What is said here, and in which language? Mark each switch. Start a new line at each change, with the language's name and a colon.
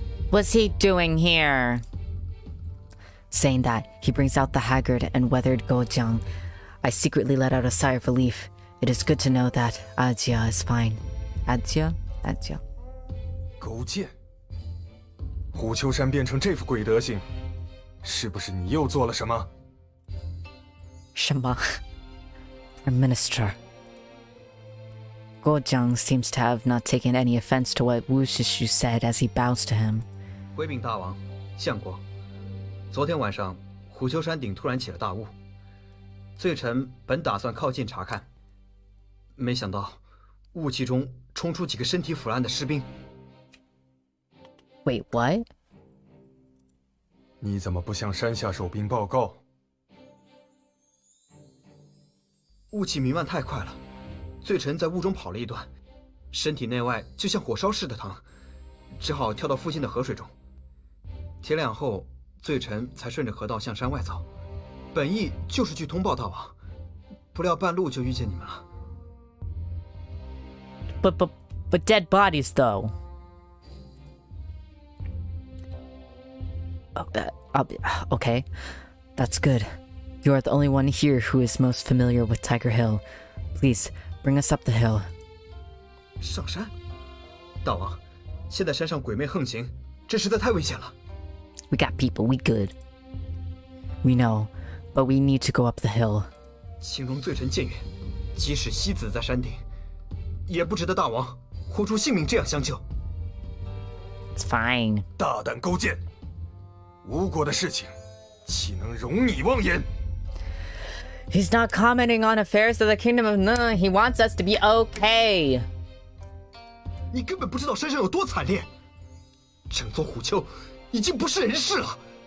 English: What's he doing here? Saying that, he brings out the haggard and weathered Goujiang. I secretly let out a sigh of relief. It is good to know that Ajia is fine. Ajia? Ajia. Goujian?
Chinese: 虎丘山变成这副鬼德行, 是不是你又做了什么? 什么?
English: Prime Minister. Goujiang seems to have not taken any offense to what Wu Shishu said as he bows to him.
Chinese: 回禀大王, 相国, 昨天晚上, 虎丘山顶突然起了大雾, 罪臣本打算靠近查看, 没想到雾气中冲出几个身体腐烂的士兵。
English: Wait, what?
Chinese: 你怎么不向山下守兵报告? 雾气弥漫太快了, 罪臣在雾中跑了一段, 身体内外就像火烧似的疼, 只好跳到附近的河水中。天亮后, 罪臣才顺着河道向山外走, 本意就是去通报大王, 不料半路就遇见你们了。
English: But dead bodies, though. Okay. That's good. You are the only one here who is most familiar with Tiger Hill. Please, bring us up the hill.
Chinese: 上山? 大王, 现在山上鬼魅横行, 真实在太危险了。
English: We got people, we good. We know, but we need to go up the hill.
Chinese: 形容罪臣渐远, 即使西子在山顶, 也不值得大王, 豁出性命这样相救。
English: It's fine.
Chinese: 大胆勾践, 吴国的事情, 岂能容你妄言?
English: He's not commenting on affairs of the kingdom of Nun. He wants us to be okay.
Chinese: 你根本不知道山上有多惨烈, 整座虎丘, 已经不是人世了。